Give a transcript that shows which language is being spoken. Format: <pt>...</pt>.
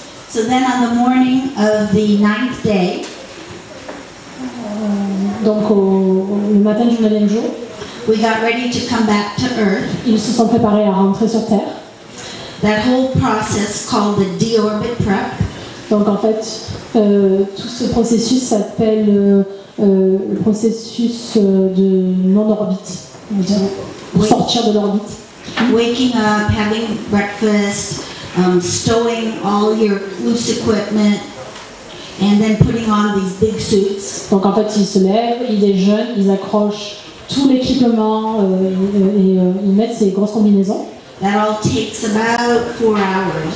<en>So then on the morning of the ninth day.</en> <fr>Donc le matin du neuvième jour,</fr> <en>we got ready to come back to Earth.</en> <fr>Ils se sont préparés à rentrer sur Terre.</fr> <en>That whole process called the deorbit prep.</en> <fr>Donc en fait, tout ce processus s'appelle le processus de non-orbite, on va dire, sortir de l'orbite.</fr> <en>Waking up, having breakfast, stowing all your loose equipment. And then putting on these big suits.</en> <fr>Donc en fait, ils se lèvent, ils déjeunent, ils accrochent tout l'équipement et ils mettent ces grosses combinaisons.</fr> <en>That all takes about 4 hours.</en>